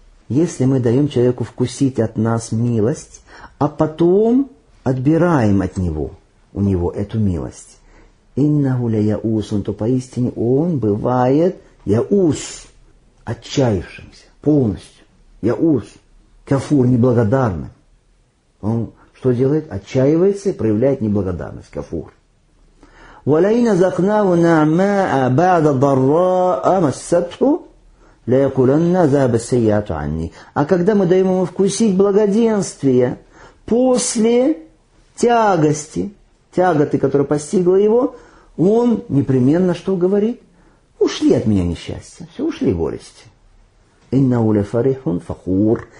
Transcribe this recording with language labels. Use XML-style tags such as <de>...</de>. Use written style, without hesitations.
<ru>Если мы даем человеку вкусить от нас милость, а потом отбираем от него, у него эту милость,</ru> <ar>إِنَّهُ لَيَأُوسٌ,</ar> <ru>то поистине он бывает яус, отчаявшимся полностью, яус, кафур, неблагодарным. Он что делает? Отчаивается и проявляет неблагодарность, кафур.</ru> <ar>ولئن أذقناه نعماء بعد ضراء مسته ليقولن ذهب السيئات عني.</ar> <ru>А когда мы даем ему вкусить благоденствие после тягости, тяготы, которая постигла его, он непременно что говорит? Ушли от меня несчастья, все ушли горести.</ru> <ar>Иннау ля фарихун фахур.</ar>